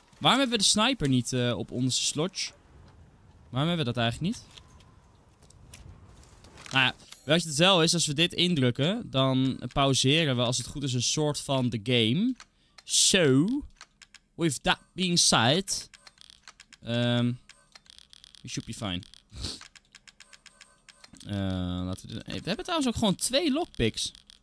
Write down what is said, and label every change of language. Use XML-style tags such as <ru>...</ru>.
<nl>Waarom hebben we de sniper niet op onze slotje? Waarom hebben we dat eigenlijk niet? Nou ja, weet je het wel is, als we dit indrukken, dan pauzeren we als het goed is een soort van de game.</nl> <en>So, with that being said, we should be fine.</en> <nl>laten we dit... Hey, we hebben trouwens ook gewoon 2 lockpicks.</nl>